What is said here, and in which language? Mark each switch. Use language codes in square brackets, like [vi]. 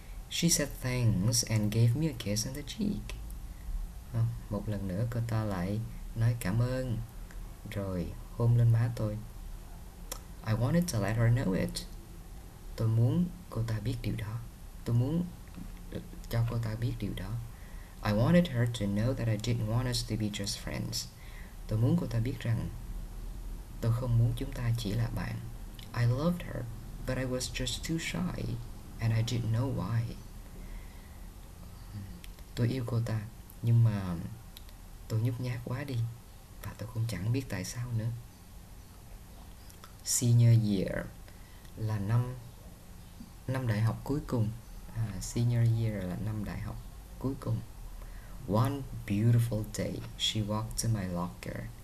[en] She said thanks and gave me a kiss on the cheek. [vi] Một lần nữa cô ta lại nói cảm ơn, rồi hôn lên má tôi. [en] I wanted to let her know it. [vi] Tôi muốn cô ta biết điều đó. Tôi muốn cho cô ta biết điều đó. [en] I wanted her to know that I didn't want us to be just friends. [vi] Tôi muốn cô ta biết rằng tôi không muốn chúng ta chỉ là bạn. [en] I loved her, but I was just too shy, and I didn't know why. [vi] Tôi yêu cô ta, nhưng mà tôi nhút nhát quá đi, và tôi cũng chẳng biết tại sao nữa. Senior year là năm đại học cuối cùng. Senior year là năm đại học cuối cùng. [en] One beautiful day, she walked to my locker.